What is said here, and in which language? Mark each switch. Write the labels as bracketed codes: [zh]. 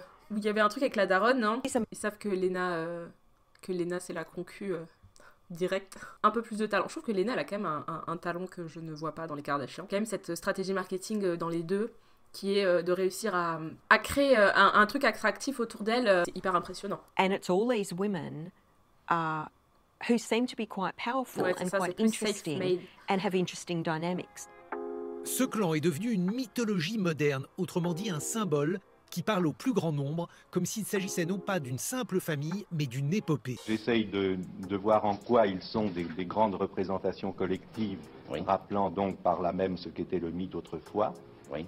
[fr] Il y avait un truc avec la daronne, non? Ils savent que Lena, c'est la concu directe. Un peu plus de talent. Je trouve que Lena, elle a quand même un talent que je ne vois pas dans les Kardashians. Quand même cette stratégie marketing dans les deux, qui est de réussir à créer un truc attractif autour d'elle, c'est hyper impressionnant. [en] And it's all these women who seem to be quite powerful and quite interesting and have interesting dynamics. [fr] Ce clan est devenu une mythologie moderne, autrement dit un symbole qui parle au plus grand nombre, comme s'il s'agissait non pas d'une simple famille, mais d'une épopée. J'essaye de voir en quoi ils sont des grandes représentations collectives, oui. Rappelant donc par là même ce qu'était le mythe autrefois, oui.